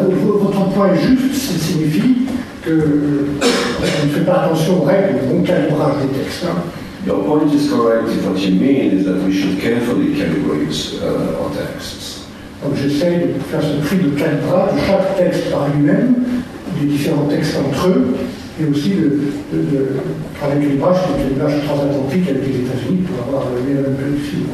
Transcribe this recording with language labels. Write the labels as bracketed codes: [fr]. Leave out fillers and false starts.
[fr] Votre point est juste, ça signifie que on ne fait pas attention aux règles, au bon calibrage des textes. Hein. [en] Your point is correct. What you mean is that we should carefully calibrate our texts. [fr] Donc j'essaie de faire ce tri de calibrage de chaque texte par lui-même, des différents textes entre eux, et aussi de avec les pages, donc les pages transatlantiques avec les États-Unis pour avoir le meilleur calibrage.